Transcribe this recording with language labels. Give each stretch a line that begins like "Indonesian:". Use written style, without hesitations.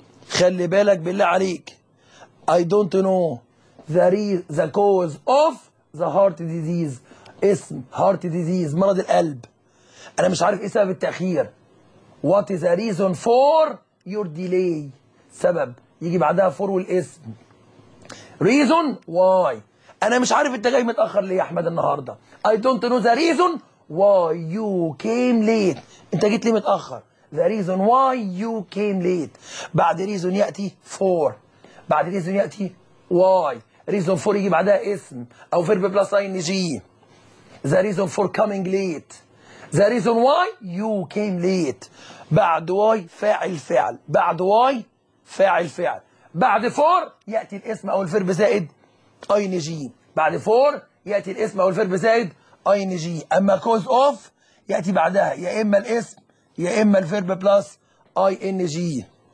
Arabic: خلي بالك بالله عليك،
English: I don't know the cause of the heart disease,
Arabic: اسم هارت ديزيز مرض القلب، انا مش عارف ايه سبب التاخير.
English: what the reason for your delay,
Arabic: سبب يجي بعدها فور والاسم،
English: reason why.
Arabic: انا مش عارف انت جاي متاخر ليه يا احمد النهارده.
English: I don't know the reason why you came late،
Arabic: انت جيت ليه متاخر.
English: The reason why you came late،
Arabic: بعد reason ياتي for، بعد reason ياتي why.
English: reason for
Arabic: يجي بعدها اسم او
English: verb plus ing. The reason for coming late. The reason why you came late،
Arabic: بعد why فاعل فعل، بعد why فاعل فعل، بعد فور ياتي الاسم او الفيرب زائد اي ان جي، بعد فور ياتي الاسم او الفيرب زائد اي ان جي. اما كوز اوف ياتي بعدها يا اما الاسم يا اما الفيرب بلس اي ان جي.